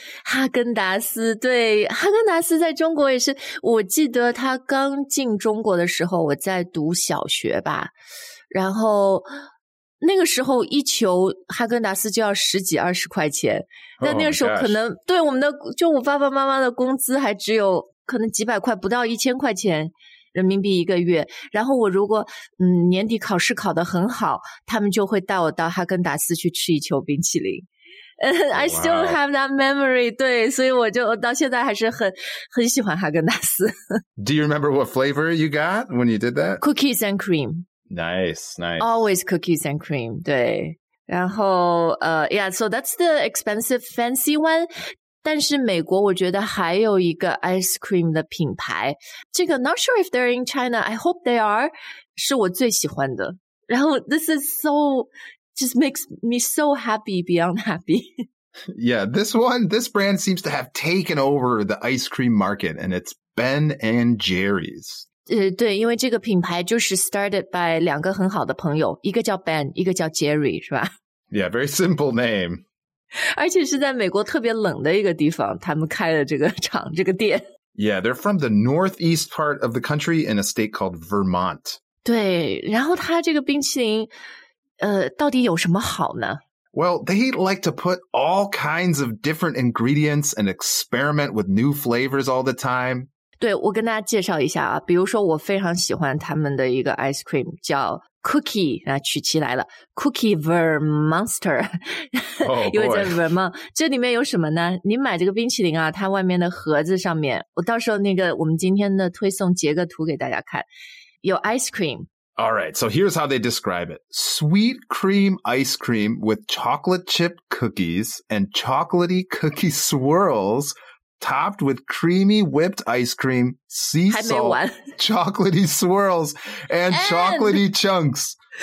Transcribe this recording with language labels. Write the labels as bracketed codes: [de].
[zh] 哈根达斯，对，哈根达斯在中国也是，我记得他刚进中国的时候，我在读小学吧，然后那个时候一球哈根达斯就要十几二十块钱，但那个时候可能对我们的就我爸爸妈妈的工资还只有可能几百块，不到一千块钱人民币一个月。然后我如果年底考试考得很好，他们就会带我到哈根达斯去吃一球冰淇淋。 [en] I still have that memory. [zh] 对，所以我就到现在还是很喜欢哈根达斯。 [en] Do you remember what flavor you got when you did that? Cookies and cream. Nice, nice. Always cookies and cream. [zh] 对，然后 [en] yeah, so that's the expensive fancy one. [zh] 但是美国我觉得还有一个 ice cream 的品牌，这个 [en] not sure if they're in China, I hope they are, [zh] 是我最喜欢的。然后 [en] this is so, just makes me so happy beyond happy. Yeah, this one, this brand seems to have taken over the ice cream market, and it's Ben and Jerry's. [zh] 对，因为这个品牌就是 [en] started by [zh] 两个很好的朋友，一个叫 Ben, 一个叫 Jerry, 是吧？ [en] Yeah, very simple name. [zh] 而且是在美国特别冷的一个地方他们开的这个厂这个店。 [en] Yeah, they're from the northeast part of the country in a state called Vermont. [zh] 对，然后他这个冰淇淋到底有什么好呢？ [en] Well, they like to put all kinds of different ingredients and experiment with new flavors all the time. [zh] 对，我跟大家介绍一下啊，比如说我非常喜欢他们的一个 ice cream 叫Cookie, 曲奇来了 ,Cookie Vermonster, 因为在 Vermont, 这里面有什么呢？你买这个冰淇淋啊，它外面的盒子上面，我到时候那个我们今天的推送截个图给大家看，有 ice cream. [en] All right, so here's how they describe it. Sweet cream ice cream with chocolate chip cookies and chocolatey cookie swirls topped with creamy whipped ice cream, sea salt, chocolatey swirls, and chocolatey chunks.